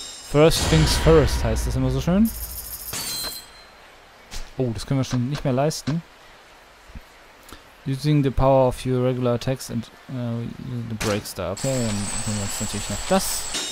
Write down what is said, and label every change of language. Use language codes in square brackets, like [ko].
[en] First things first, [de] heißt das immer so schön. Oh, das können wir schon nicht mehr leisten. [en] Using the power of your regular attacks and the break star. [de] Okay, dann nehmen wir jetzt natürlich noch das.